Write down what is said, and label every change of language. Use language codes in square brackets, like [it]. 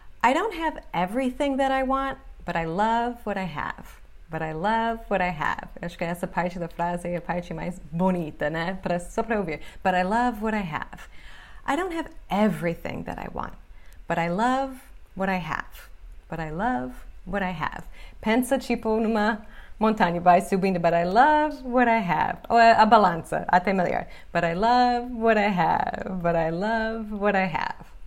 [en] I don't have everything that I want, but I love what I have. [pt] Acho que essa parte da frase é a parte mais bonita, né? Só para ouvir. [en] But I love what I have. I don't have everything that I want, but I love what I have. [pt] Pensa tipo numa montanha, vai subindo. [en] But I love what I have. [pt] Ou a balança, até melhor. [en] But I love what I have.